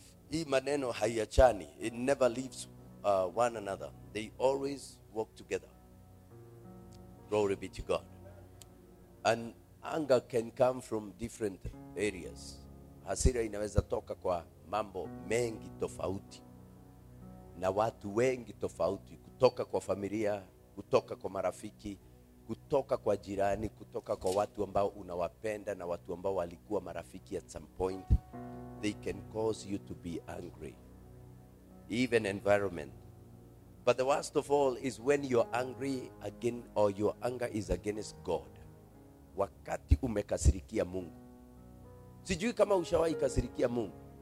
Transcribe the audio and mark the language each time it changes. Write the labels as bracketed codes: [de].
[sw] Imaneno haiachani, [en] it never leaves one another. They always work together. Glory be to God. And anger can come from different areas. [sw] Hasira inaweza toka kwa mambo mengi tofauti. Na watu wengi tofauti, kutoka kwa familia, kutoka kwa marafiki, kutoka kwa jirani, kutoka kwa watu ambao unawapenda na watu ambao walikuwa marafiki [en] at some point. They can cause you to be angry. Even environment. But the worst of all is when you're angry again, or your anger is against God. [sw] Wakati umekasirikia Mungu. Sijui kama ushawahi kasirikia Mungu.